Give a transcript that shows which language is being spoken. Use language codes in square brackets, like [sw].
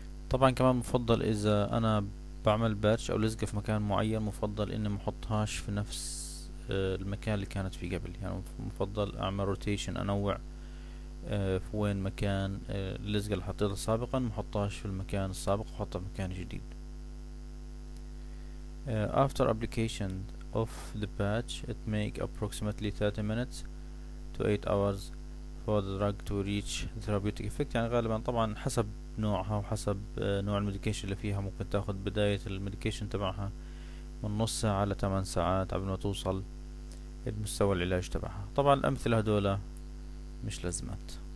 [ar] طبعا كمان مفضل إذا أنا بعمل باتش أو لزقة في مكان معين، مفضل إني محطهاش في نفس المكان اللي كانت فيه قبل، يعني مفضل اعمل روتيشن، انوع في وين مكان اللزقة اللي حطيتها سابقا، محطهاش في المكان السابق وحطها في مكان جديد. [en] After application of the patch it make approximately 30 minutes to 8 hours for the drug to reach the therapeutic effect. [ar] يعني غالبا طبعا حسب نوعها وحسب نوع المديكيشن اللي فيها، ممكن تاخذ بداية المديكيشن تبعها من نص ساعة على 8 ساعات قبل ما توصل المستوى العلاج تبعها. طبعا الأمثلة هدول مش لازمات.